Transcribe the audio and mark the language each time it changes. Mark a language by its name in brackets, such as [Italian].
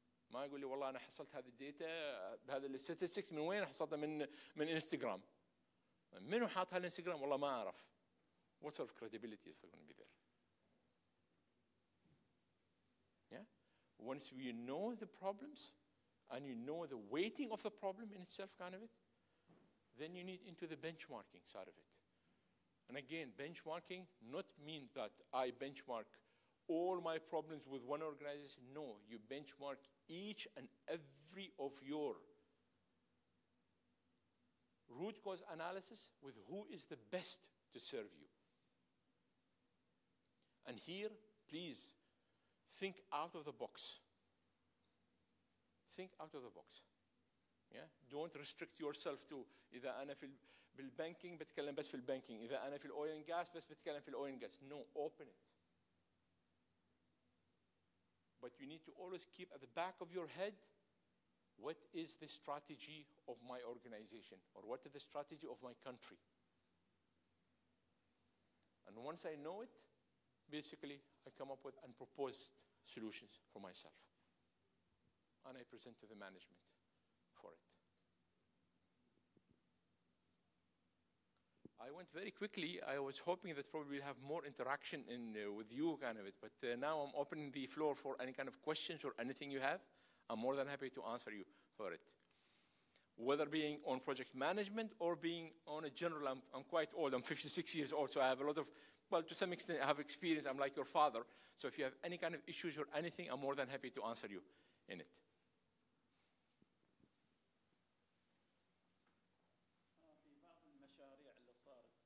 [Arabic] ما يقول لي والله أنا حصلت هذه الداتا بهذا الستاتستكس من وين حصلتها من إنستغرام. منو حاطها الإنستغرام والله ما أعرف. [English] What sort of credibility is going to be there? Yeah. Once we know the problems and you know the weighting of the problem in itself kind of it, then you need into the benchmarking side of it. And again, benchmarking not mean that I benchmark all my problems with one organization. No, you benchmark each and every of your root cause analysis with who is the best to serve you. And here, please, think out of the box. Think out of the box. Yeah, don't restrict yourself to [Arabic] إذا أنا في البنكينج بتكلم بس في البنكينج, إذا أنا في الأويل أند غاز بس بتكلم في الأويل أند غاز. [English] No, open it. But you need to always keep at the back of your head, what is the strategy of my organization? Or what is the strategy of my country? And once I know it, basically, I come up with and proposed solutions for myself. And I present to the management for it. I went very quickly. I was hoping that probably we'll have more interaction in with you kind of it. But now I'm opening the floor for any kind of questions or anything you have. I'm more than happy to answer you for it. Whether being on project management or being on a general, I'm quite old. I'm 56 years old, so I have a lot of, well, to some extent, I have experience. I'm like your father. So if you have any kind of issues or anything, I'm more than happy to answer you in it. [Arabic] في بعض المشاريع اللي صارت